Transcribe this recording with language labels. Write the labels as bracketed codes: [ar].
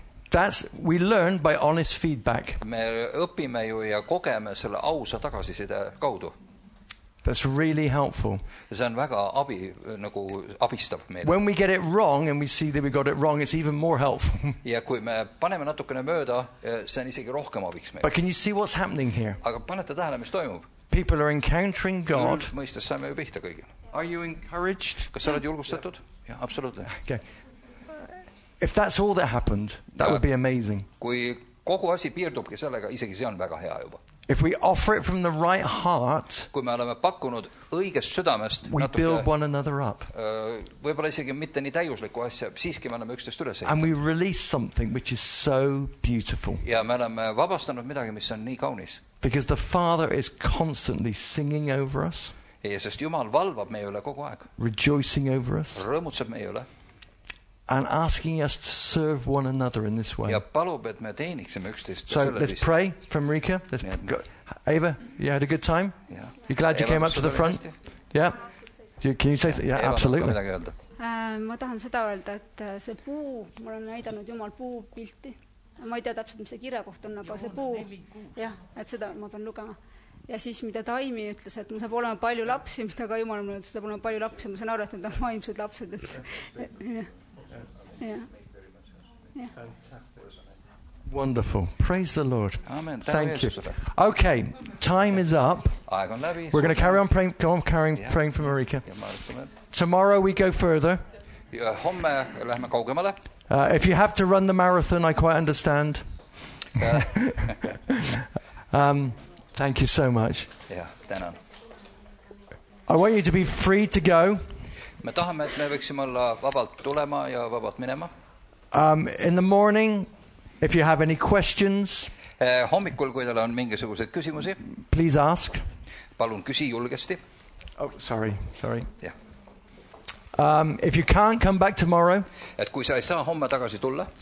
[en] That's we learn by honest feedback. [et] Me õpime ju ja kogeme selle ausa tagasiside kaudu. [en] That's really helpful. [et] See on väga abi, nagu abistav meile. [en] When we get it wrong and we see that we got it wrong, it's even more helpful. [et] Ja kui me paneme natukene mööda, see on isegi rohkem abiks meile. [en] But can you see what's happening here? [et] Aga panete tähele, mis toimub. [en] People are encountering God. [et] Mõistes saame ju pihta kõigil. [en] Are you encouraged? [et] Kas sa oled julgustatud? [en] Yeah, absolutely. Okay. If that's all that happened, that would be amazing. [et] Kui kogu asi piirdubki sellega, isegi see on väga hea juba. [en] If we offer it from the right heart, [et] kui me oleme pakkunud õigest südamest, [en] we build one another up. [et] Võib-olla isegi mitte nii täiusliku asja, siiski me oleme üksteist üles ehitanud. [en] And we release something which is so beautiful. [et] Ja me oleme vabastanud midagi, mis on nii kaunis. [en] Because the Father is constantly singing over us. [et] Ja sest Jumal valvab meie üle kogu aeg. [en] Rejoicing over us. [et] Rõõmutseb meie üle. [en] And asking us to serve one another in this way. [et] Ja palub, et me teeniksime üksteist. [en] So let's pray for Marika. Ava, you had a good time? Yeah. You glad you came up to the front? Yeah. Can you say something? Yeah, absolutely. [et] Ma tahan seda öelda, et see puu, ma olen näidanud Jumal puu pilti. Ma ei tea täpselt, mis see kirja koht on, aga see puu. Ja, et seda ma pean lugema. Ja siis, mida Taimi ütles, et mul saab olema palju lapsi, mida ka Jumal on mõelnud, saab olema palju lapsi. Ma saan aru, et need on vaimsed lapsed. Ja. [en] Yeah. Wonderful. Praise the Lord. Amen. Thank you. Okay, time is up. We're going to carry on praying. Go on, carrying praying for Marika. Tomorrow we go further. If you have to run the marathon, I quite understand. thank you so much. Yeah. I want you to be free to go. [et] Me tahame, et me võiksime olla vabalt tulema ja vabalt minema. [en] In the morning, if you have any questions, [et] hommikul, kui teile on mingisugused küsimusi, [en] please ask. [et] Palun küsi julgesti. [en] Oh, sorry. Yeah. If you can't come back tomorrow, [et] et kui sa ei saa homme tagasi tulla,